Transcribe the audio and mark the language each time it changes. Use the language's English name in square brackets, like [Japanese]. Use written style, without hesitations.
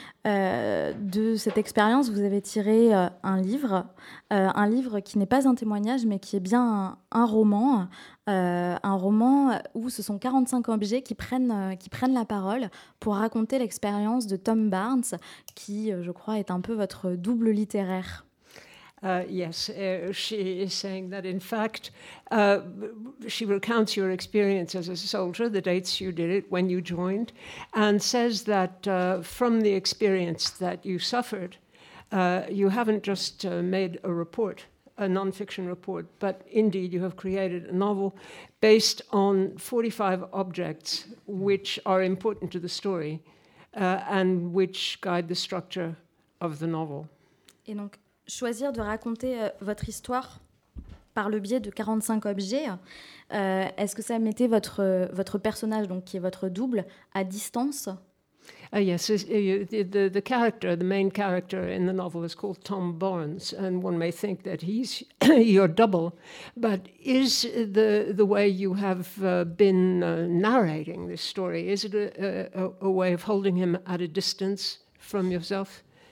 [French] De cette expérience, vous avez tiré un livre qui n'est pas un témoignage, mais qui est bien un roman où ce sont 45 objets qui prennent la parole pour raconter l'expérience de Tom Barnes, qui, je crois, est un peu votre double littéraire. [English] She is saying that in fact she recounts your experience as a soldier, the dates you did it, when you joined, and says that from the experience that you suffered, you haven't just made a report, a non-fiction report, but indeed you have created a novel based on 45 objects which are important to the story and which guide the structure of the novel. [French] Et donc choisir de raconter votre histoire par le biais de 45 objets, est-ce que ça mettait votre personnage, donc qui est votre double, à distance? [English] Yes, the character, the main character in the novel is called Tom Barnes, and one may think that he's your double, but is the way you have been narrating this story, is it a way of holding him at a distance from yourself?